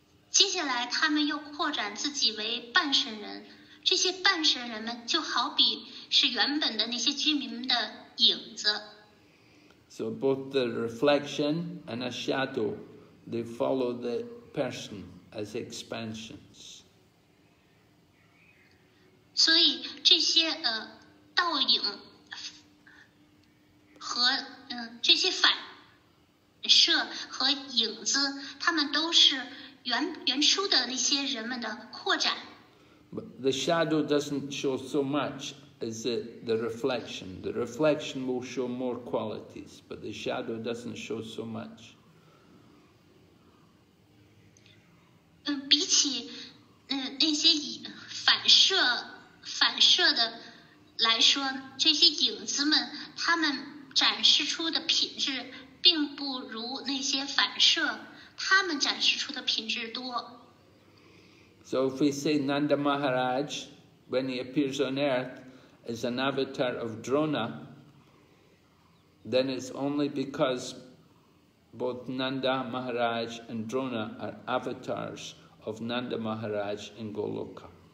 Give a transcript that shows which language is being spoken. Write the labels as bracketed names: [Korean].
[Chinese] 接下来他们又扩展自己为半神人，这些半神人们就好比是原本的那些居民们的影子。 [English] So both the reflection and a shadow, they follow the person as expansions. [Chinese] 所以这些倒影和这些反射和影子，他们都是原初的那些人们的扩展。 [English] But the shadow doesn't show so much as the reflection. The reflection will show more qualities, but the shadow doesn't show so much. [Chinese] 比起那些反射的来说，这些影子们他们展示出的品质并不如那些反射他们展示出的品质多。 [English] So if we say Nanda Maharaj, when he appears on earth, is an avatar of Drona, then it's only because both Nanda Maharaj and Drona are avatars of Nanda Maharaj in Goloka.